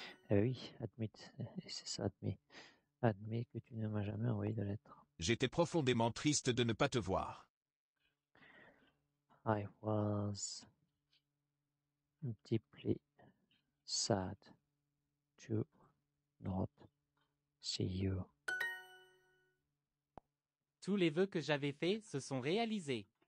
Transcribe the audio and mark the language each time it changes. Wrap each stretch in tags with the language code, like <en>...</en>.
<fr>Eh oui, admets, c'est ça, admets. Admets que tu ne m'as jamais envoyé de lettre. J'étais profondément triste de ne pas te voir.</fr> <en>I was deeply sad to not see you.</en> <fr>Tous les vœux que j'avais faits se sont réalisés.</fr>